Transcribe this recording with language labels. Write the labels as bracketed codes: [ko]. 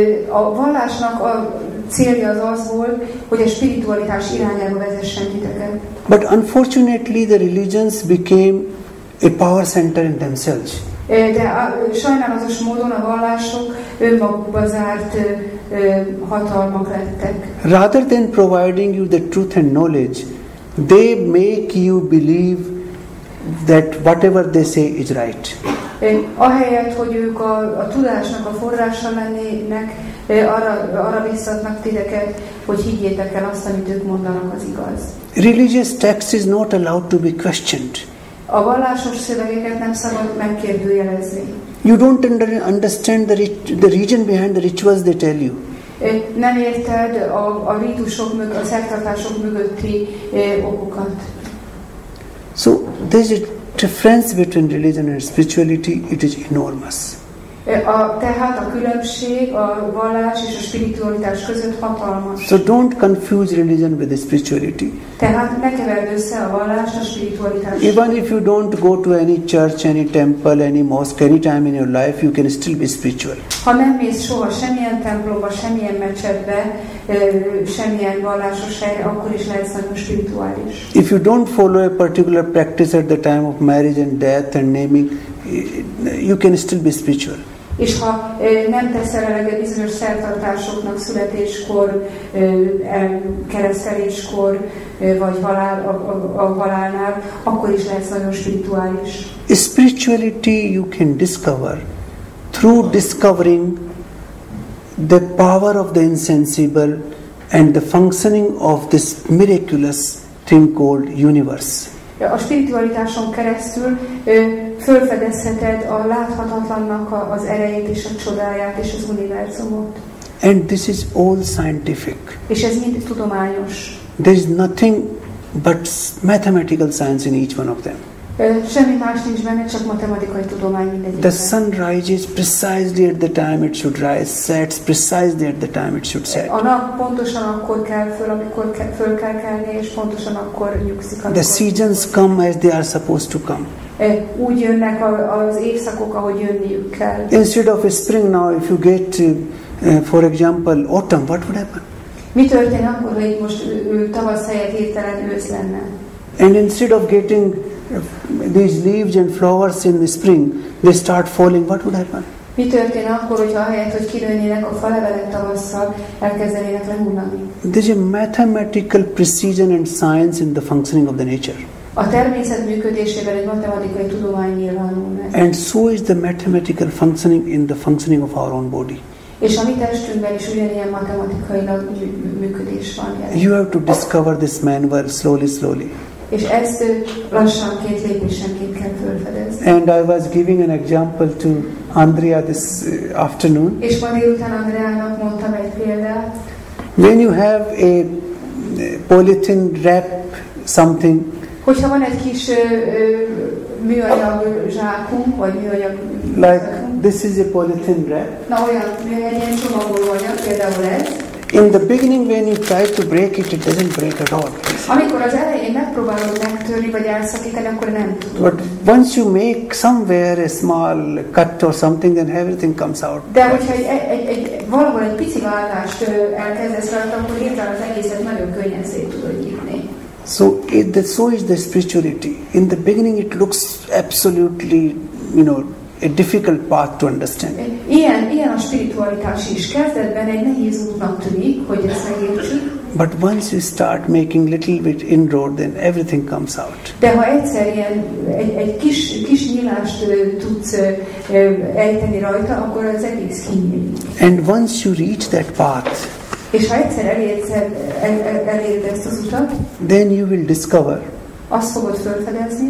[hu] A vallásnak a célja az volt, hogy a spiritualitás irányába vezessen titeket. [en] But unfortunately the religions became a power center in themselves. [hu] De sajnálatos módon a vallások önmagukba zárt hatalmak lettek. [en] Rather than providing you the truth and knowledge, they make you believe that whatever they say is right. [hu] Ahelyett, hogy ők a tudásnak a forrása lennének, arra biztatnak titeket, hogy higgyétek el azt, amit ők mondanak, az igaz. [en] religious text is not allowed to be questioned. [hu] A vallásos szövegeket nem szabad megkérdőjelezni. [en] You don't understand the reason behind the rituals they tell you. [hu] Nem érted a rítusok mögött, a szertartások mögötti okokat. [en] So there's a difference between religion and spirituality. It is enormous. [hu] Tehát a különbség a vallás és a spiritualitás között hatalmas. [en] So don't confuse religion with spirituality. [hu] Tehát ne keverd össze a vallás a spiritualitással. [en] Even if you don't go to any church, any temple, any mosque, any time in your life, you can still be spiritual. [hu] Ha nem mész soha semmilyen templomba, semmilyen mecsetbe, semmilyen vallásos helyre, akkor is lehetsz nagyon spirituális. [en] If you don't follow a particular practice at the time of marriage and death and naming, you can still be spiritual. [hu] És ha nem teszel eleget bizonyos szertartásoknak születéskor, kereszteléskor, vagy halálnál, akkor is lehetsz nagyon spirituális. [en] Spirituality you can discover through discovering the power of the insensible and the functioning of this miraculous thing called universe. [hu] A spiritualitáson keresztül fölfedezheted a láthatatlannak az erejét és a csodáját és az univerzumot. [en] And this is all scientific. [hu] És ez mind tudományos. [en] There is nothing but mathematical science in each one of them. [hu] Semmi más nincs benne, csak matematikai tudomány mindegyikben. [en] The sun rises precisely at the time it should rise, sets precisely at the time it should set. [hu] A nap pontosan akkor kell föl, amikor föl kell kelni, és pontosan akkor nyugszik. [en] The seasons come as they are supposed to come. [hu] Úgy jönnek az évszakok, ahogy jönniük kell. [en] Instead of a spring now, if you get, for example, autumn, what would happen? [hu] Mi történne akkor, hogy most tavasz helyett hirtelen ősz lenne? [en] And instead of getting these leaves and flowers in the spring, they start falling. What would happen? [hu] Mi történne akkor, hogyha ahelyett, hogy kilőnének a fa levelek tavasszal, elkezdenének lehullani? [en] There's a mathematical precision and science in the functioning of the nature. [hu] A természet működésében egy matematikai tudomány nyilvánul meg. [en] And so is the mathematical functioning in the functioning of our own body. [hu] És a mi testünkben is ugyanilyen matematikailag működés van. [en] You have to discover this manual slowly, slowly. [hu] És ezt lassan két lépésenként kell fölfedezni. [en] And I was giving an example to Andrea this afternoon. [hu] És ma délután Andreának mondtam egy példát. [en] When you have a polythene wrap something. [hu] Hogyha van egy kis műanyag zsákunk, vagy műanyag. [en] Like this is a polythene wrap. [hu] Na olyan, milyen ilyen csomagoló anyag, például ez. [en] In the beginning, when you try to break it, it doesn't break at all. [hu] Amikor az elején megpróbálod megtörni vagy elszakítani, akkor nem tudod. [en] But once you make somewhere a small cut or something, then everything comes out. [hu] De hogyha egy pici vágást elkezdesz rajta, akkor hirtelen az egészet nagyon könnyen szét tudod nyitni. [en] So is the spirituality. In the beginning, it looks absolutely, you know, a difficult path to understand. [hu] Ilyen a spiritualitás is kezdetben egy nehéz útnak tűnik, hogy ezt megértsük. [en] But once you start making little bit inroad, then everything comes out. [hu] De ha egyszer ilyen egy kis nyílást tudsz ejteni rajta, akkor az egész kinyílik. [en] And once you reach that path, [hu] és ha egyszer eléred ezt az utat, [en] then you will discover, [hu] azt fogod felfedezni,